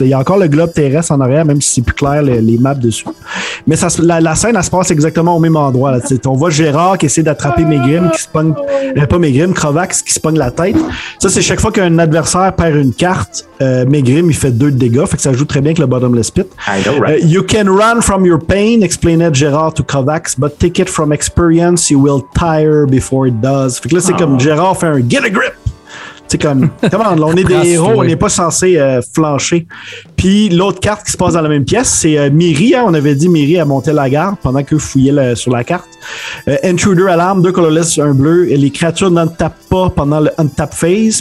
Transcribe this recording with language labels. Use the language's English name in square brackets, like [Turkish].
[French] Il y a encore le globe terrestre en arrière, même si c'est plus clair les maps dessus. Mais la scène, elle se passe exactement au même endroit. Là. On voit Gérard qui essaie d'attraper Megrim, qui se pogne. Pas Megrim, Krovax qui se pogne la tête. Ça, c'est chaque fois qu'un adversaire perd une carte, Megrim, il fait 2 de dégâts. Fait que ça joue très bien avec le Bottomless Pit. [English] I know, right? You can run from your pain, explain it Gérard to Krovax. But take it from experience, you will tire before it does. [French] Fait que là, c'est comme Gérard fait un [English] get a grip. [French] C'est comme, comment, on est des héros, on n'est pas censé flancher. Puis l'autre carte qui se passe dans la même pièce, c'est Miri. Hein. On avait dit Miri a monté la garde pendant qu'eux fouillaient sur la carte. Intruder alarm, 2 colorless, 1 bleu. Et les créatures n'untapent pas pendant le untap phase.